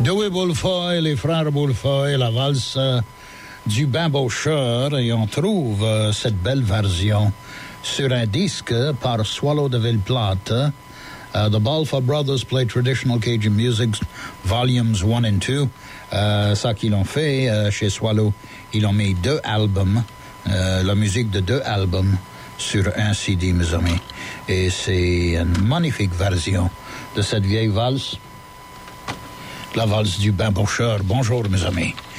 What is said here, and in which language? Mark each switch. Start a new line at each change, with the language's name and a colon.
French: Bouffoy, les frères Bouffoy, la valse du Bimbaucheur, et on trouve cette belle version sur un disque par Swallow de Villeplate.
English: The Balfa Brothers play traditional Cajun music, volumes 1 and 2.
French: Ça qu'ils ont fait chez Swallow, ils ont mis deux albums, la musique de deux albums sur un CD, mes amis. Et c'est une magnifique version de cette vieille valse, la valse du Bimbaucheur. Bonjour, mes amis.